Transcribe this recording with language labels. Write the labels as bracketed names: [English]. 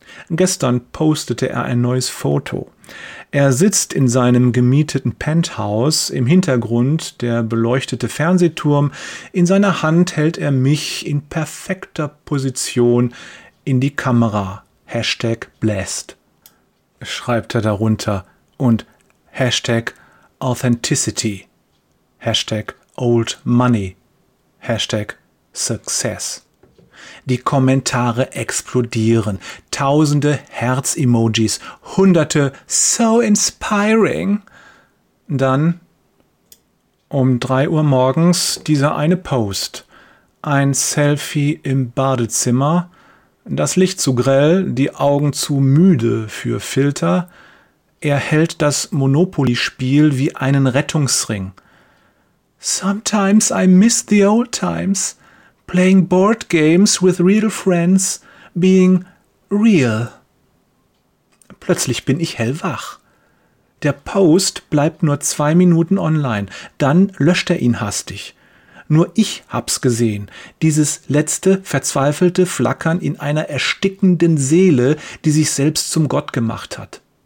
[German] Gestern postete er ein neues Foto. Er sitzt in seinem gemieteten Penthouse, im Hintergrund der beleuchtete Fernsehturm. In seiner Hand hält er mich in perfekter Position in die Kamera. Hashtag blessed, schreibt er darunter. Und Hashtag authenticity, Hashtag old money, Hashtag success. Die Kommentare explodieren. Tausende Herz-Emojis, hunderte so inspiring. Dann um 3 Uhr morgens dieser eine Post. Ein Selfie im Badezimmer. Das Licht zu grell, die Augen zu müde für Filter. Er hält das Monopoly-Spiel wie einen Rettungsring. [English] Sometimes I miss the old times. Playing board games with real friends, being real. [German] Plötzlich bin ich hellwach. Der Post bleibt nur 2 Minuten online, dann löscht er ihn hastig. Nur ich hab's gesehen, dieses letzte verzweifelte Flackern in einer erstickenden Seele, die sich selbst zum Gott gemacht hat.